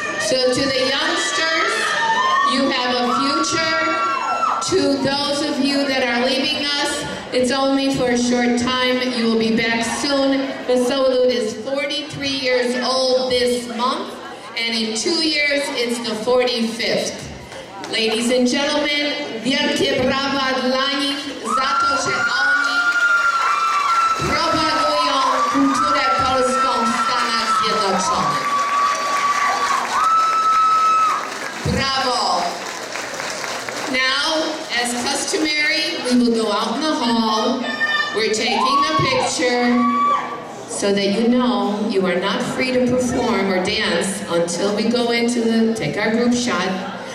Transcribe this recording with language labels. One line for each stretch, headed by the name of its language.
English: So to the youngsters, you have a future. To those of you that are leaving us, it's only for a short time. You will be back soon. Wesołolud is 43 years old this month. And in 2 years, it's the 45th.
Polish: Ladies and gentlemen, wielkie brawa dla nich za to, że oni propagują kulturę polską w Stanach Zjednoczonych.
English: Bravo. Now, as customary, we will go out in the hall. We're taking a picture. So that you know, you are not free to perform or dance until we go into the, take our group shot.